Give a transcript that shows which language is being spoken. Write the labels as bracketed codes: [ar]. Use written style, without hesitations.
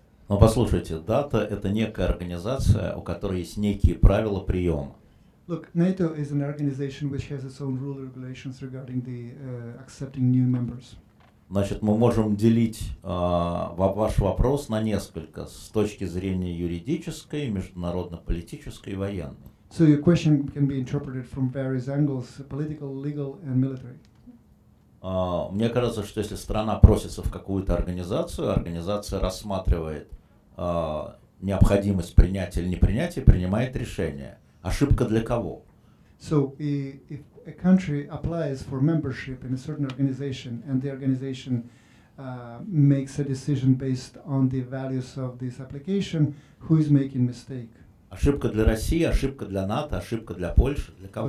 [ru] Но послушайте, НАТО — это некая организация, у которой есть некие правила приема. [en] Look, NATO is an organization which has its own rules and regulations regarding the accepting new members. [ru] Значит, мы можем делить ваш вопрос на несколько с точки зрения юридической, международно-политической и военной. [en] So your question can be interpreted from various angles: political, legal, and military. [ru] Мне кажется, что если страна просится в какую-то организацию, организация рассматривает необходимость принятия или непринятия, принимает решение. Ошибка для кого? [en] So, if a country applies for membership in a certain organization and the organization makes a decision based on the values of this application, who is making mistake? [ru] Ошибка для России, ошибка для НАТО, ошибка для Польши, для кого?